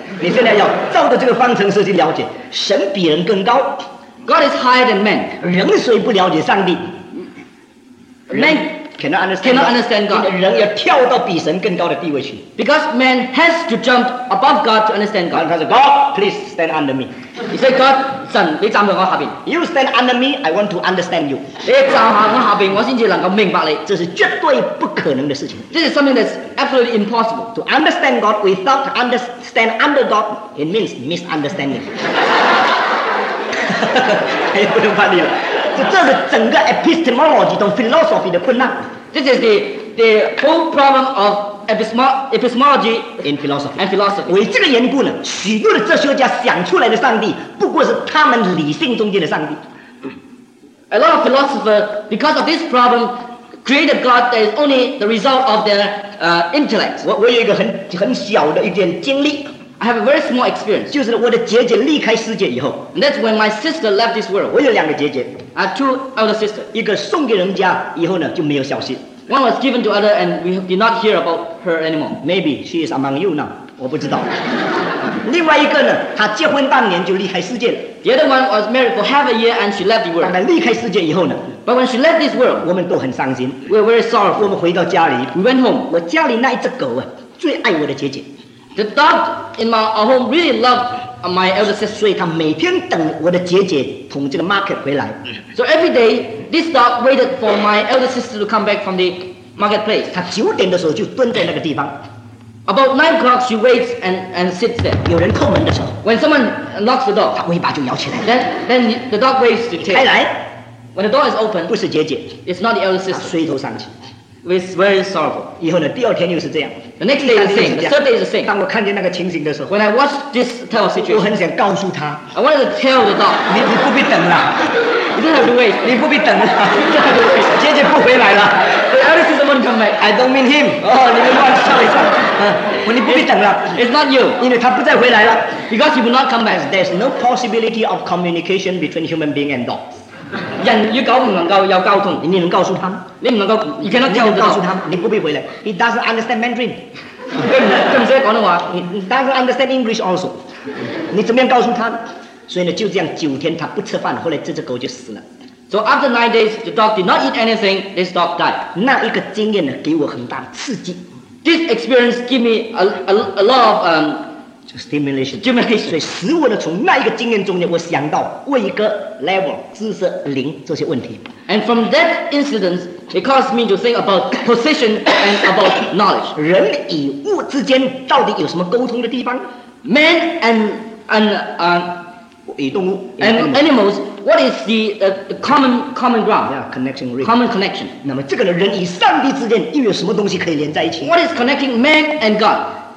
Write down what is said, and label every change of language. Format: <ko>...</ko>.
<zh>你现在要照着这个方程式去了解，神比人更高。</zh> <en>God is higher than man.</en> <zh>人虽不了解上帝。</zh> <en>Man cannot understand God.</en> <zh>人要跳到比神更高的地位去。</zh> <en>Because man has to jump above God to understand God.</en> <zh>他说</zh> <en>God, please stand under me. He said, God,</en> <zh>神，你站在我下边。</zh> <en>You stand under me, I want to understand you.</en> <zh>你站在我下边，我才能够明白你。这是绝对不可能的事情。</zh> <en>This is something that's absolutely impossible. To understand God without understand under God, it means misunderstanding.</en> <zh>哈哈，不能翻译了。这是整个 epistemology 和 philosophy 的困难。</zh> <en>This is the whole problem of epistemology in philosophy. And philosophy.</en> <zh>为这个缘故呢，许多的哲学家想出来的上帝，不过是他们理性中间的上帝。</zh> <en>A lot of philosophers, because of this problem, created God that is only the result of their intellect.</en> <zh>我有一个很小的一点经历。</zh> <en>I have a very small experience.</en> <zh>就是我的姐姐离开世界以后。</zh> <en>And that's when my sister left this world.</en> <zh>我有两个姐姐。</zh> <en>I have two elder sisters.</en> <zh>一个送给人家以后呢，就没有消息。</zh> <en>One was given to other, and we did not hear about her anymore. Maybe she is among you now.</en> <zh>我不知道。另外一个呢，她结婚当年就离开世界了。</zh> <en>The other one was married for half a year, and she left the world.</en> <zh>当她离开世界以后呢</zh> <en>？But when she left this world,</en> <zh>我们都很伤心。</zh> <en>We were very sorrowful.</en> <zh>我们回到家里。</zh> <en>We went home.</en> <zh>我家里那一只狗啊，最爱我的姐姐。</zh> <en>The dog in my home really loved my elder sister.</en> <zh>所以他每天等我的姐姐从这个 market 回来。</zh> <en>So every day, this dog waited for my elder sister to come back from the marketplace.</en> <zh>他九点的时候就蹲在那个地方。</zh> <en>About 9 o'clock, she waits and sits there.</en> <zh>有人叩门的时候。</zh> <en>When someone knocks the door,</en> <zh>他尾巴就摇起来。</zh> <en>Then the dog waves to tail.</en> <zh>开来。</zh> <en>When the door is open,</en> <zh>不是姐姐。</zh> <en>It's not the elder sister.</en> <zh>他垂头丧气。</zh> <en>It's very sorrowful.</en> <zh>以后呢，第二天又是这样。</zh> <en>The next day is the same. The third day is the same.</en> <zh>当我看见那个情形的时候</zh> <en>，When I watch this type of situation,</en> <zh>我很想告诉他</zh> <en>，I wanted to tell the dog.</en> <zh>你不必等了</zh> <en>，You don't have to wait.</en> <zh>你不必等了 姐姐不回来了</zh> <en>，The elder sister won't come back. I don't mean him.</en> <zh>你们乱笑一下。你不必等了</zh> <en>，It's not you.</en> <zh>因为他不再回来了</zh> <en>，Because he will not come back. There's no possibility of communication between human being and dog.</en> <zh>人与狗不能够有沟通，你能告诉他吗？你不能够，你可能跳告诉他，你不必回来。</zh> <en>He doesn't understand Mandarin.</en> <zh>更不是广东话。</zh> <en>He doesn't understand English also.</en> <zh>你怎么样告诉他？所以呢，就这样九天他不吃饭，后来这只狗就死了。</zh> <en>So after 9 days, the dog did not eat anything. This dog died.</en> <zh>那一个经验呢，给我很大的刺激。</zh> <en>This experience gave me a lot of stimulation. Stimulation.</en> <zh>所以使我呢，从那一个经验中间，我想到位格 level 姿色灵这些问题。</zh> <en>And from that incident, it caused me to think about position and about knowledge.</en> <zh>人与物之间到底有什么沟通的地方</zh> <en>？Man and</en> <zh>与动物</zh> <en>and animals. What is the common ground? Yeah, connection ring. Common connection.</en> <zh>那么这个呢，人与上帝之间又有什么东西可以连在一起</zh> <en>？What is connecting man and God?</en>